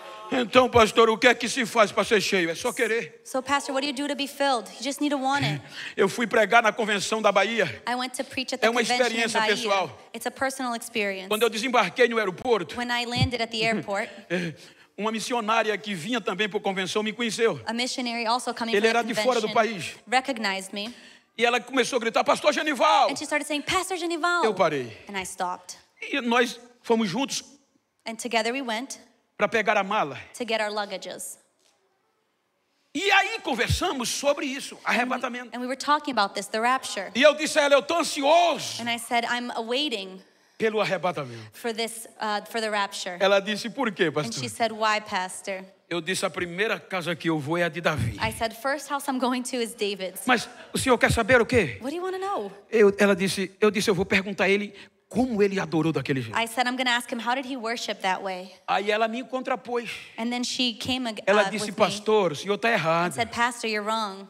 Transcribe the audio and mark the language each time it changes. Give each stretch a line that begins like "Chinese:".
Portuguese: Então, pastor, o que é que se faz para ser cheio? É só querer.
English: So, pastor, what do you do to be filled? You just need to want it.
Portuguese: Eu fui pregar na convenção da Bahia.
English: I went to preach at the convention in
Portuguese: Bahia. É uma experiência pessoal.
English: It's a personal experience.
Portuguese: Quando eu desembarquei no aeroporto,
English: when I landed at the airport,
Portuguese: uma missionária que vinha também para a convenção me conheceu.
English: A missionary also coming to the convention.
Portuguese: Ele era de fora do país.
English: Recognized me.
Portuguese: E ela começou a gritar, Pastor Genival!
English: And she started saying, Pastor Genival!
Portuguese: Eu parei.
English: And I stopped.
Portuguese: E nós fomos juntos.
English: And together we went.
Portuguese: Para pegar a mala.
English: To get our luggages.
Portuguese: E aí conversamos sobre isso, arrebatamento.
English: And we were talking about this, the rapture.
Portuguese: E eu disse a ela, eu tô ansioso.
English: And I said, I'm awaiting.
Portuguese: Pelo arrebatamento.
English: For this, for the rapture.
Portuguese: Ela disse, por quê, pastor?
English: And she said, why, pastor?
Portuguese: Eu disse, a primeira casa que eu vou é a de Davi.
English: I said, first house I'm going to is David's.
Portuguese: Mas o senhor quer saber o quê?
English: What do you want to know?
Portuguese: Ela disse, eu vou perguntar a ele. Como ele adorou daquele jeito.
English: I said, I'm going to ask him, how did he worship that way?
Portuguese: Aí ela me contrapôs.
English: And then she came with me.
Portuguese: Ela disse, pastor, o senhor está errado.
English: And said, pastor, you're wrong.